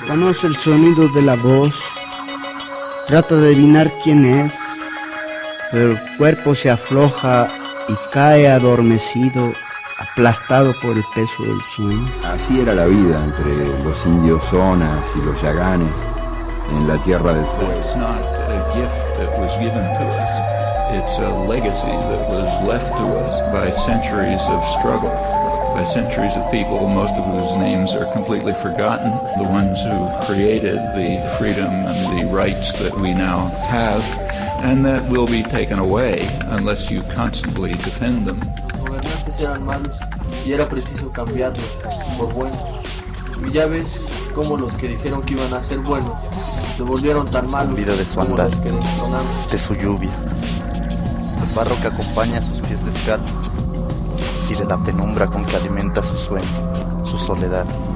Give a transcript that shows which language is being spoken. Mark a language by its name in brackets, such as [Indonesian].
[Spanish] Reconoce el sonido de la voz. Trata de adivinar quién es. Pero el cuerpo se afloja y cae adormecido, aplastado por el peso del sueño. Así era la vida entre los indios zonas y los yaganes en la tierra del fuego. [English] It's not a gift that was given to us. It's a legacy that was left to us by centuries of struggle, by centuries of people, most of whose names are completely forgotten. The ones who created the freedom and the rights that we now have, and that will be taken away unless you constantly defend them. [Spanish] Gobernantes eran malos y era preciso cambiarlos por buenos. Y ya ves cómo los que dijeron que iban a ser buenos se volvieron tan malos. Vida de su andar, de su lluvia. El barro que acompaña a sus pies descalzos y de la penumbra con que alimenta su sueño, su soledad.